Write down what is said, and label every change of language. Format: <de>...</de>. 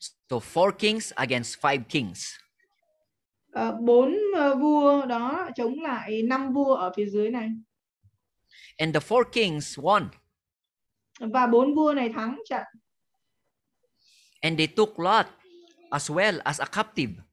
<en>So four kings against five kings.</en> <vi>Bốn vua đó chống lại năm vua ở phía dưới này.</vi> <en>And the four kings won.</en> <vi>Và bốn vua này thắng trận.</vi> <en>And they took Lot as well as a captive.</en>